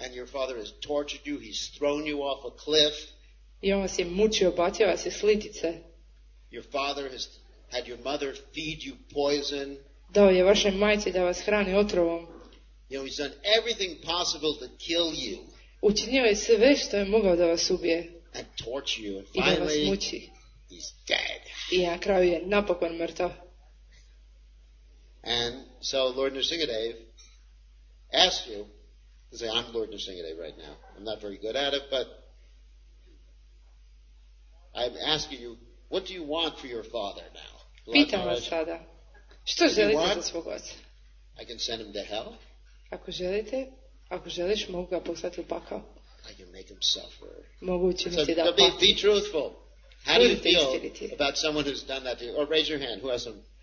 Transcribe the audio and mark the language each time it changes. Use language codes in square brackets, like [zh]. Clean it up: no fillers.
[en] And your father has tortured you. He's thrown you off a cliff. [hr] I on vas je mučio, bacio vas je s litice. [en] Your father has had your mother feed you poison. [hr] Dao je vašoj majci da vas hrani otrovom. [en] You know, he's done everything possible to kill you. [hr] Učinio je sve što je mogao da vas ubije. [en] And torture you. And finally, [hr] vas muči. [en] He's dead. [hr] I na kraju je napokon mrtav. [en] And so Lord Nrsingadev asked you, to say, I'm Lord Nrsingadev right now. I'm not very good at it, but I'm asking you, what do you want for your father now? [hr] Pitam vas sada. Što želite za svog oca? [en] I can send him to hell. [hr] Ako želite, ako želiš, mogu ga poslati u pakao. [en] I can make him suffer. [hr] Mogu učiniti da pati. [en] Be truthful. How do you feel about someone who's done that to you? Or raise your hand. Who has some?